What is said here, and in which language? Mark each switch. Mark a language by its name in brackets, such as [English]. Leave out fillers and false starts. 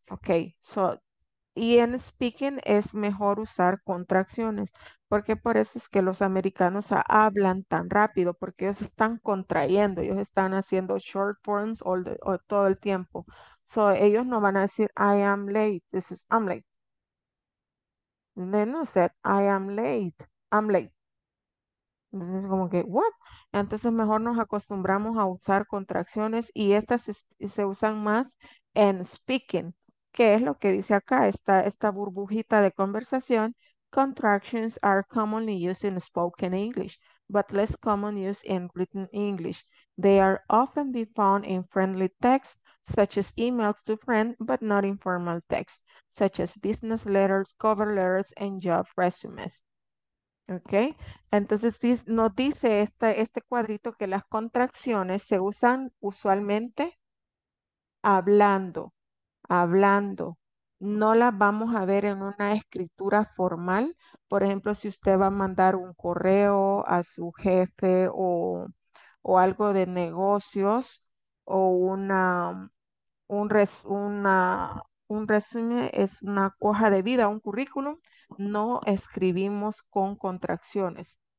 [Spanish] Ok, so, y en speaking es mejor usar contracciones. Porque por eso es que los americanos hablan tan rápido, porque ellos están contrayendo, ellos están haciendo [English] short forms [Spanish] todo el tiempo. [English] So [Spanish] ellos no van a decir, [English] I am late, this is, I'm late. Then I said, I am late, I'm late. [Spanish] Entonces es como que, what? Entonces mejor nos acostumbramos a usar contracciones y estas se usan más en speaking. ¿Qué es lo que dice acá? Esta burbujita de conversación. [English] Contractions are commonly used in spoken English, but less common use in written English. They are often be found in friendly texts, such as emails to friends, but not in formal texts. such as business letters, cover letters, and job resumes. ¿Ok? [Spanish] Entonces, nos dice este cuadrito que las contracciones se usan usualmente hablando. No las vamos a ver en una escritura formal. Por ejemplo, si usted va a mandar un correo a su jefe o algo de negocios o un resumen, es una hoja de vida, un currículum, no escribimos con contracciones.